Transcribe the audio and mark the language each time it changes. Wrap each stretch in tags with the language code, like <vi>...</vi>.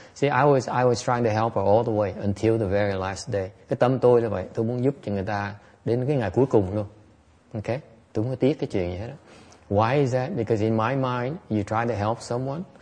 <en>See, I was trying to help her all the way until the very last day.</en> <vi>Cái tâm tôi là vậy, tôi muốn giúp cho người ta đến cái ngày cuối cùng luôn. Okay, tôi không có tiếc cái chuyện gì hết.</vi> <en>Why is that? Because in my mind, you try to help someone.</en>